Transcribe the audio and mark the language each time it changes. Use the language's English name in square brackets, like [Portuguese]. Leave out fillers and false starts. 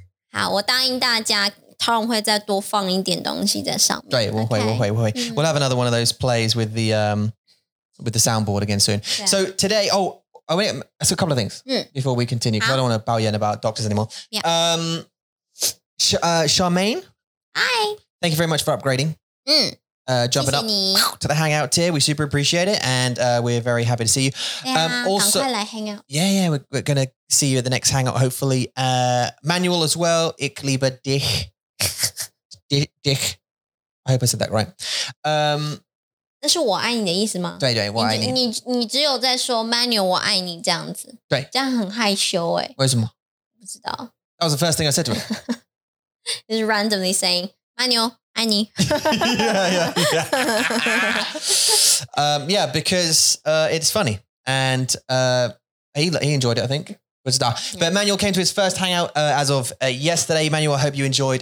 [Chinese] 好,我答应大家, Tom会再多放一点东西在上面。对,我会。 [English] We'll have another one of those plays with the with the soundboard again soon. Yeah. So today, so a couple of things before we continue, because I don't want to bow yen about doctors anymore. Yeah. Charmaine. Hi. Thank you very much for upgrading. Jumping up to the hangout tier. We super appreciate it. And we're very happy to see you. Yeah, also, hang out. Yeah, we're going to see you at the next hangout, hopefully. Manuel as well. [German] Ich liebe dich. Dich. [English] I hope I said that right. [Chinese] 那是我爱你的意思吗? 对对,我爱你。你只有在说Manuel,我爱你这样子。对。这样很害羞耶。为什么?不知道。 [English] That was the first thing I said to him. Just randomly saying, Manuel, I knew. yeah, because it's funny. And he enjoyed it, I think. But Manuel came to his first hangout as of yesterday. Manuel, I hope you enjoyed.